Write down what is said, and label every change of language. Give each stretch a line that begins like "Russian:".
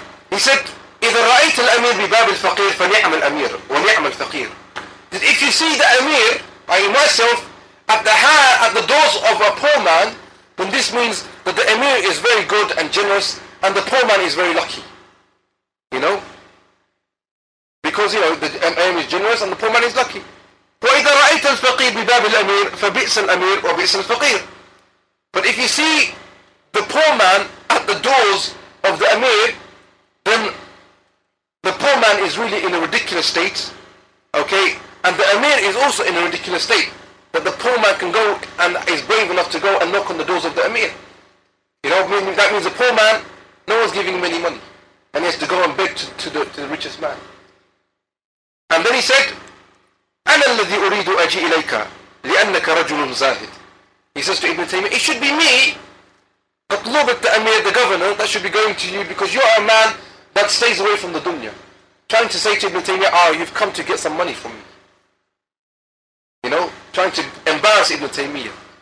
English: He said,
Arabic: "إِذَا رَأَيْتَ الْأَمِيرِ بِبَابِ الْفَقِيرِ فَنِعْمَ الْأَمِيرِ وَنِعْمَ الْفَقِيرِ."
English: If you see the Amir, I myself, at the doors of a poor man, then this means that the Amir is very good and generous, and the poor man is very lucky. You know? Because, you know, the Amir is generous and the poor man is lucky.
Arabic: وَإِذَا رَأَيْتَ الْفَقِيرِ بِبَابِ الْأَمِيرِ فَبِئْسَ الْأَمِيرِ وَبِئْسَ الْفَقِيرِ.
English: But if you see the poor man at the doors of the Amir, then the poor man is really in a ridiculous state, okay? And the Amir is also in a ridiculous state, that the poor man can go and is brave enough to go and knock on the doors of the Amir. You know, meaning that means the poor man, no one's giving him any money, and he has to go and beg to the richest man. And then he said,
Arabic: "أنا الذي أريد أجي إليك لأنك رجل زاهد."
English: He says to Ibn Taymiyyah, "It should be me, Qatlubek, the Amir, the governor, that should be going to you, because you are a man that stays away from the dunya." Trying to say to Ibn Taymiyyah, you've come to get some money from me. You know, trying to embarrass Ibn Taymiyyah.